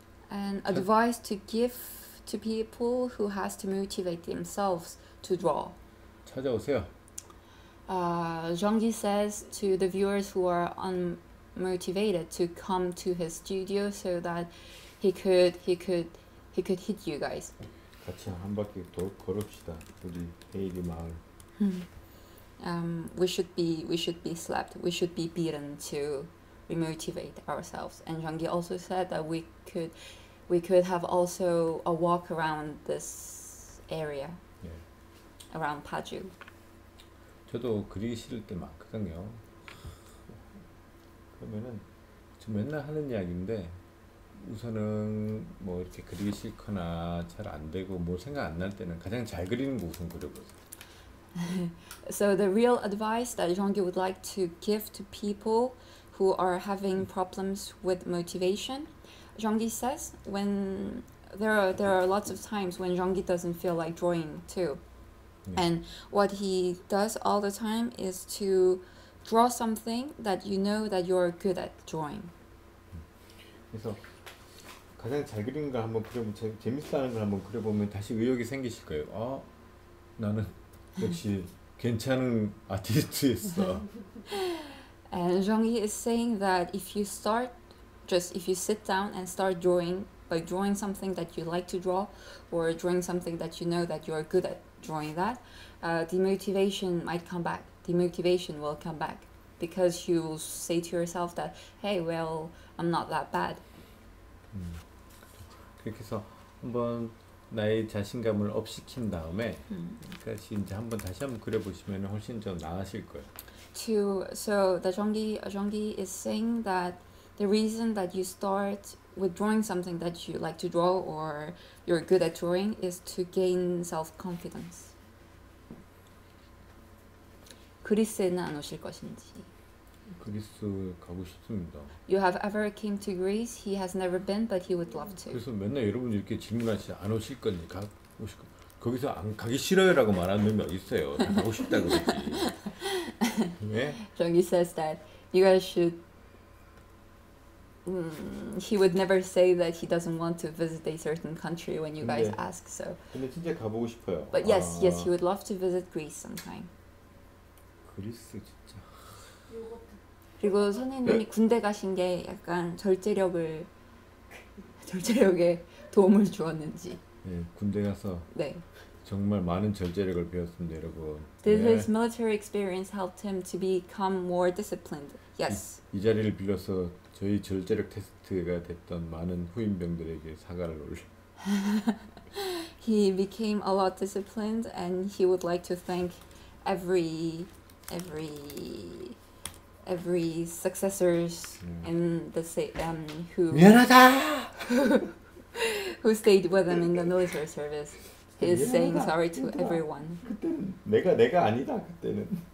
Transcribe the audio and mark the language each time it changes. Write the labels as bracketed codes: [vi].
[en] And advice to give to people who has to motivate themselves to draw. [ko] 찾아오세요. [en] Jong-gi says to the viewers who are unmotivated to come to his studio so that he could hit you guys. [ko] 같이 한 바퀴 더 걸읍시다. 우리 헤이리 마을. [en] We should be slapped. We should be beaten to remotivate ourselves. And Jong-gi also said that we could have also a walk around this area. Yeah. Around Paju. [ko] 저도 그리기 싫을 때 많거든요. 그러면은 저 맨날 하는 이야기인데 우선은 뭐 이렇게 그리기 싫거나 잘 안 되고 뭐 생각 안 날 때는 가장 잘 그리는 거 우선 그려보세요. [en] So the real advice that Jong-gi would like to give to people who are having problems with motivation, Jong-gi says when there are lots of times when Jong-gi doesn't feel like drawing too. Yeah. And what he does all the time is to draw something that you know that you're good at drawing. [ko] 그래서 가장 잘 그리는 걸 한번 그려보면, 재밌어하는 걸 한번 그려보면 다시 의욕이 생기실 거예요. 어? 나는 역시 괜찮은 아티스트였어. [en] And Jong-gi is saying that if you sit down and start drawing, by drawing something that you like to draw, or drawing something that you know that you are good at drawing that, the motivation might come back. The motivation will come back because you will say to yourself that, hey, well, I'm not that bad. [ko] 그렇게 해서 한번 나의 자신감을 업시킨 다음에 다시 이제 한번 다시 한번 그려보시면 훨씬 좀 나아질 거예요. [en] Jong-gi is saying that the reason that you start with drawing something that you like to draw or you're good at drawing is to gain self-confidence. [ko] 그리스에는 안 오실 것인지. 그리스 가고 싶습니다. [en] You have ever came to Greece? He has never been, but he would love to. [ko] 그래서 맨날 여러분 이렇게 질문하시죠. 안 오실 거니? 가고 싶고 거기서 안 가기 싫어요라고 말하는 분이 있어요. 가고 싶다 그러지. 네? [en] Jung-gi says that you guys should. He would never say that he doesn't want to visit a certain country when you guys ask. So. [ko] 근데 진짜 가보고 싶어요. [en] But yes, 아. yes, he would love to visit Greece sometime. [ko] 그리스 진짜. 그리고 선생님이 군대 가신 게 약간 절제력을 절제력에 도움을 주었는지. 네, 군대 가서. 네. 정말 많은 절제력을 배웠습니다, 여러분. [en] Did his military experience helped him to become more disciplined? Yes. [ko] 이 자리를 빌려서 저희 절제력 테스트가 됐던 많은 후임병들에게 사과를 올려. [en] He became a lot disciplined, and he would like to thank every successors in the who [ko] 미안하다! [en] who stayed with him in the military service. He is saying sorry to everyone. [ko] 그때는 내가 아니다 그때는.